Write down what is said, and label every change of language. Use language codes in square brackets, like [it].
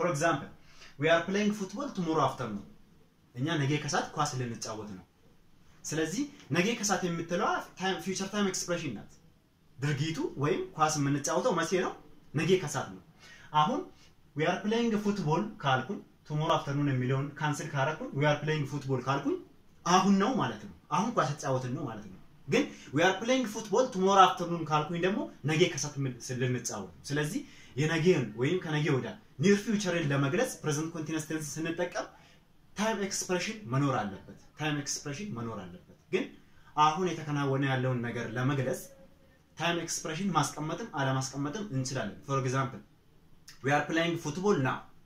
[en] For example, we are playing football tomorrow afternoon. [am] እኛ ነገ ከሰዓት ኳስ ልንጫወት ነው። ስለዚህ ነገ ከሰዓት የምትለው [en] time future time expression [am] ናት። ድርጊቱ ወይም ኳስ የምንጫወተው መቼ ነው? ነገ ከሰዓት ነው። አሁን [en] we are playing football [am] ካልኩኝ [en] tomorrow afternoon [am] የሚለውን cancel ካረኩኝ we are playing football ካልኩኝ አሁን ነው ማለት ነው። አሁን ኳስ ተጫወትን ነው ማለት ነው። ግን [en] we are playing football tomorrow afternoon [am] ካልኩኝ ደግሞ ነገ ከሰዓት ስለነጻው ስለዚህ የነገን ወይም ከነገ ወዲያ [en] near future [am] ለመግለጽ [en] present continuous tense [am] ስንጠቀም time expression መኖር አለበት ግን አሁን የተከናወነ ያለውን ነገር ለመግለጽ [en] time expression [am] ማስቀመጥም አለማስቀመጥም እንችላለን. [en] For example, we are playing football now.